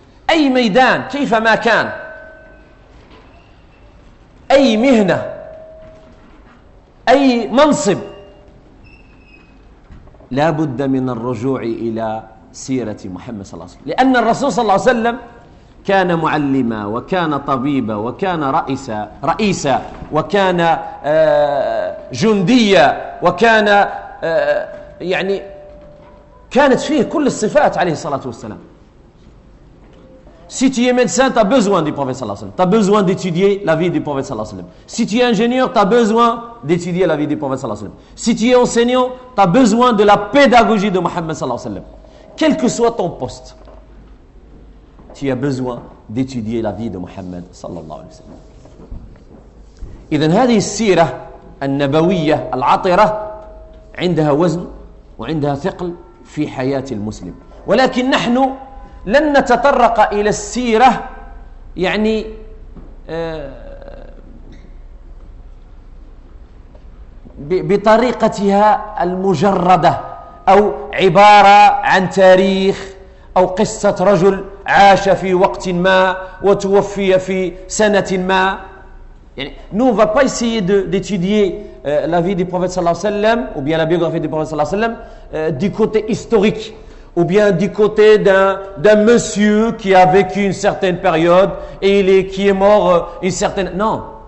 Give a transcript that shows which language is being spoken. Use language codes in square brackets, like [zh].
[ar] أي ميدان كيفما كان، أي مهنة، أي منصب، لا بد من الرجوع إلى سيرة محمد صلى الله عليه وسلم، لأن الرسول صلى الله عليه وسلم كان معلما وكان طبيبا وكان رئيسا رئيسا وكان جنديا وكان يعني كانت فيه كل الصفات عليه الصلاة والسلام. [fr] Si tu es médecin, tu as besoin du prophète sallallahu alayhi wa sallam. Tu as besoin d'étudier la vie du prophète sallallahu alayhi wa sallam. Si tu es ingénieur, tu as besoin d'étudier la vie du prophète sallallahu alayhi wa sallam. Si tu es enseignant, tu as besoin de la pédagogie de Mohammed sallallahu alayhi wa sallam. Quel que soit ton poste, tu as besoin d'étudier la vie de Mohammed sallallahu alayhi wa sallam. [ar] Idhan hadhihi as-sira an-nabawiyya al-atira 'indaha wazn wa 'indaha thiql fi hayati al-muslim. Walakin nahnu لن نتطرق إلى السيرة يعني بطريقتها المجردة أو عبارة عن تاريخ أو قصة رجل عاش في وقت ما وتوفي في سنة ما. [fr] يعني nous on va pas essayer d'étudier la vie du prophète sallallahu alayhi wa sallam ou bien la biographie du prophète sallallahu alayhi wa sallam du côté historique ou bien du côté d'un monsieur qui a vécu une certaine période et qui est mort une certaine... Non.